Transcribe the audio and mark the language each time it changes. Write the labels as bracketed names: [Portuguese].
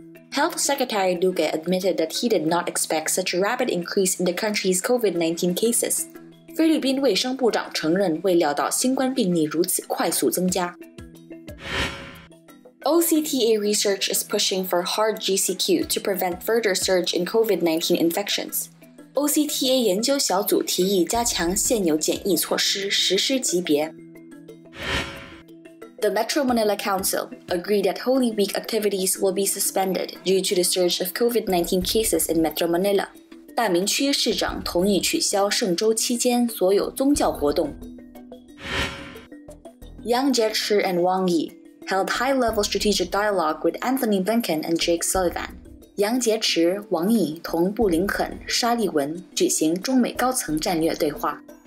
[English] Health Secretary Duque admitted that he did not expect such a rapid increase in the country's COVID-19 cases. [Chinese] 菲律宾卫生部长承认未料到新冠病例如此快速增加。 [English] OCTA research is pushing for hard GCQ to prevent further surge in COVID-19 infections. [Chinese] OCTA 研究小组提议加强现有检疫措施实施级别。 [English] The Metro Manila Council agreed that Holy Week activities will be suspended due to the surge of COVID-19 cases in Metro Manila. [Chinese] 大明区市长同意取消圣周期间所有宗教活动。 [English] Yang Jiechi and Wang Yi held high-level strategic dialogue with Anthony Blinken and Jake Sullivan. [Chinese] Yang Jiechi, Wang Yi 同布林肯、沙利文举行中美高层战略对话。